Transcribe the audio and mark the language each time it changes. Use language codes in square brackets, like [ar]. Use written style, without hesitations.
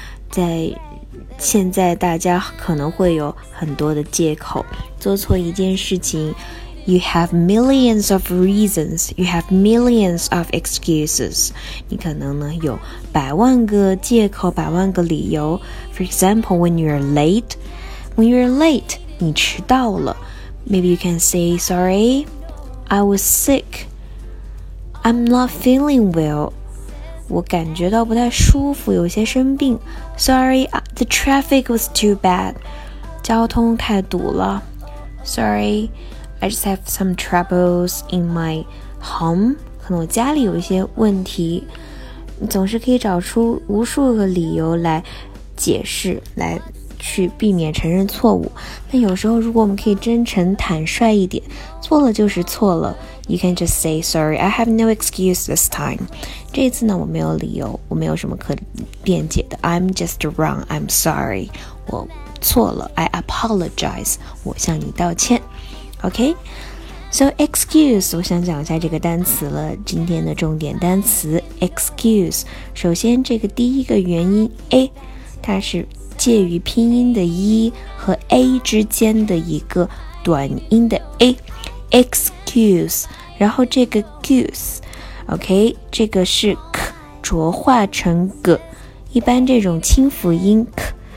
[zh] 在现在大家可能会有很多的借口，做错一件事情， [en] You have millions of reasons, you have millions of excuses. [zh] 你可能呢有百万个借口，百万个理由。 [en] For example, when you're late,When you're late, [zh] 你迟到了。 [en] Maybe you can say, sorry, I was sick. I'm not feeling well. [zh] 我感觉到不太舒服，有些生病。 [en] Sorry, the traffic was too bad. [zh] 交通太堵了。 [en] Sorry, I just have some troubles in my home. [zh] 可能我家里有一些问题。你总是可以找出无数个理由来解释，来去避免承认错误。但有时候如果我们可以真诚坦率一点，错了就是错了。 [en] You can just say sorry, I have no excuse this time. [zh] 这次呢我没有理由，我没有什么可辩解的。 [en] I'm just wrong, I'm sorry. [zh] 我错了， [en] I apologize. [zh] 我向你道歉。 [en] OK, so excuse, [zh] 我想讲一下这个单词了。今天的重点单词 excuse, 首先这个第一个元音 A, 它是介于拼音的 e 和 a 之间的一个短音的 a, excuse, 然后这个 goose, OK, 这个是 k 浊化成 g, 一般这种清辅音 k,